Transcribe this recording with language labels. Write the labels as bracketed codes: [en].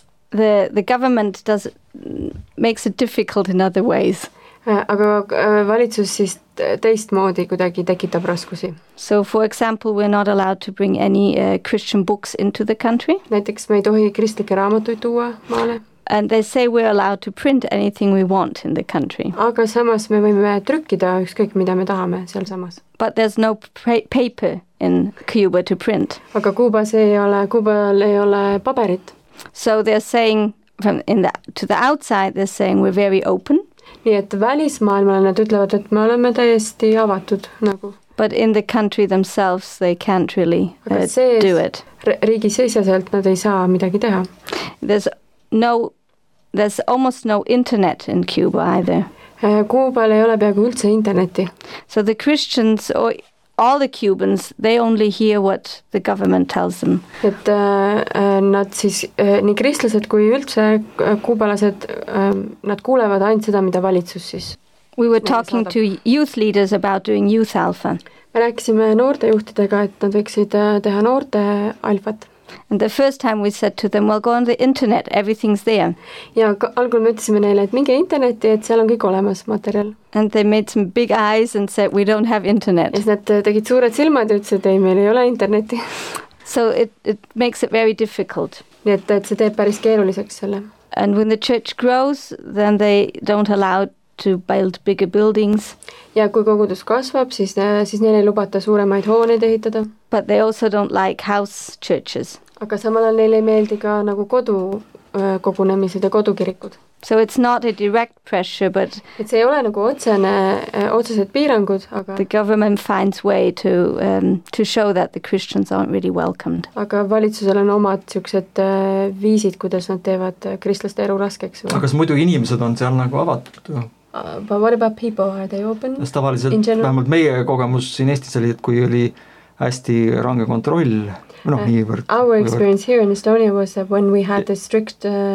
[en] The government makes it difficult in other ways. [et] Aga valitsus siis teistmoodi kuidagi tekitab raskusi. [en] So for example, we're not allowed to bring any Christian books into the country. [et] Näiteks me ei tohi kristlike raamatuid tuua maale. [en] And they say we're allowed to print anything we want in the country. [et] Aga samas me võime trükkida ükskõik mida me tahame seal samas. [en] But there's no paper in Cuba to print. [et] Aga Kuubas ei ole, Kuubal ei ole paperit. [en] So they're saying to the outside they're saying we're very open. [et] Nii et välismaailmale nad ütlevad, et me oleme täiesti avatud nagu. [en] But in the country themselves they can't really do it. [et] Riigi seisaselt nad ei saa midagi teha. [en] There's almost no internet in Cuba either. [et] Kuubal ei ole peaaegu üldse interneti. [en] So the Christians or all the Cubans, they only hear what the government tells them. [et] Et nad siis nii kristlased kui üldse kuubalased nad kuulevad ainult seda mida valitsus siis. [en] We were talking to youth leaders about doing youth alpha. [et] Me rääkisime noorte juhtidega, et nad võiksid teha noorte alfat. [en] And the first time we said to them, well, go on the internet, everything's there. [et] Ja algul me ütlesime neile, et minge interneti, et seal on kõik olemas materjal. [en] And they made some big eyes and said, we don't have internet. [et] Ja nad tegid suured silmad ja ütlesid, ei, meil ei ole interneti. [en] So it makes it very difficult. [et] Ja et see teeb päris keeruliseks selle. [en] And when the church grows, then they don't allow to build bigger buildings. [et] Ja kui kogudus kasvab, siis neil ei lubata suuremaid hooneid ehitada. [en] But they also don't like house churches. [et] Aga samal ajal neil ei meeldi ka nagu kodu kogunemised ja kodukirikud. [en] So it's not a direct pressure, but [et] et see ei ole nagu otsesed piirangud, aga [en] the government finds way to show that the Christians aren't really welcomed. [et] Aga valitsusel on omad siuksed viisid, kuidas nad teevad kristlaste elu raskeks. Aga kas muidu inimesed on seal nagu avatud? [en] But what about people? Are they open? [et] Tavaliselt vähemalt meie kogemus siin Eestis oli, et kui oli hästi range kontroll, [en] our experience here in Estonia was that when we had the strict